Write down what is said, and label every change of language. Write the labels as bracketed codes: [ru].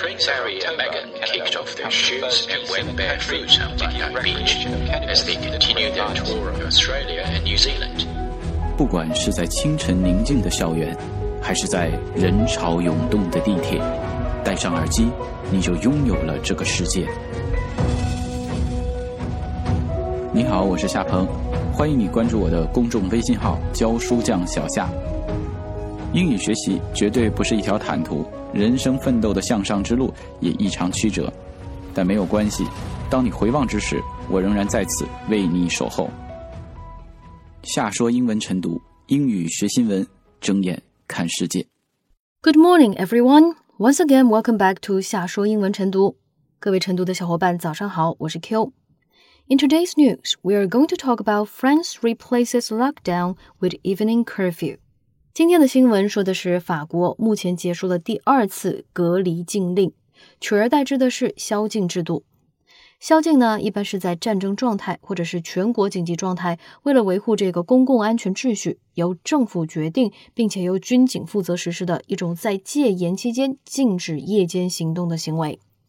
[en] of October, Canada kicked off their shoes and went barefoot on the beach as they continued their tour of Australia and New Zealand. [zh] 不管是在清晨宁静的校园，还是在人潮涌动的地铁，戴上耳机，你就拥有了这个世界。你好，我是夏鹏，欢迎你关注我的公众微信号“教书匠小夏”。英语学习绝对不是一条坦途，人生奋斗的向上之路也异常曲折，但没有关系，当你回望之时，我仍然在此为你守候。夏说英文晨读，英语学新闻，睁眼看世界。 [en] Good morning, everyone. Once again, welcome back to 夏说英文晨读。 [zh] 各位晨读的小伙伴，早上好，我是 Q。 [en] In today's news, we are going to talk about France replaces lockdown with evening curfew. [zh] 今天的新闻说的是法国目前结束了第二次隔离禁令，取而代之的是宵禁制度。宵禁呢，一般是在战争状态或者是全国紧急状态，为了维护这个公共安全秩序，由政府决定并且由军警负责实施的一种在戒严期间禁止夜间行动的行为。